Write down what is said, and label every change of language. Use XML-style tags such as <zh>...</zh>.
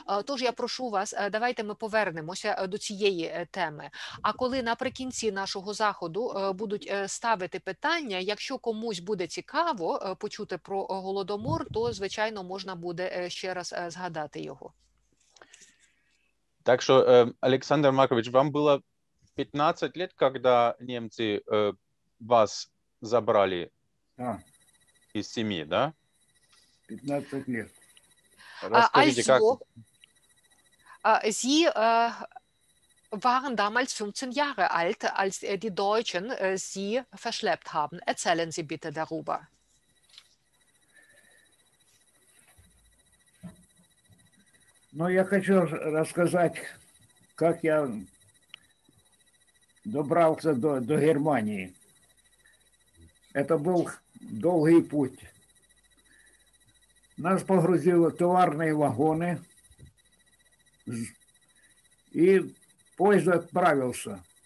<uk>Тож я прошу вас, давайте ми повернемося до цієї теми. А коли наприкінці нашого заходу будуть ставити питання, якщо комусь буде цікаво почути про Голодомор, то, звичайно, можна буде ще раз згадати його. Так що,</uk> <ru>Олександр Маркович, вам було 15 лет, когда немцы вас забрали из семьи, да? 15 лет. Расскажите, also, как...</ru> <de>Sie waren damals 15 Jahre alt, als die Deutschen sie verschleppt haben. Erzählen Sie bitte darüber.</de> <ru>Ну, я хочу рассказать, как я добрался до Германии. Это был долгий путь. Нас погрузили в товарные вагоны, и поезд отправился.</ru>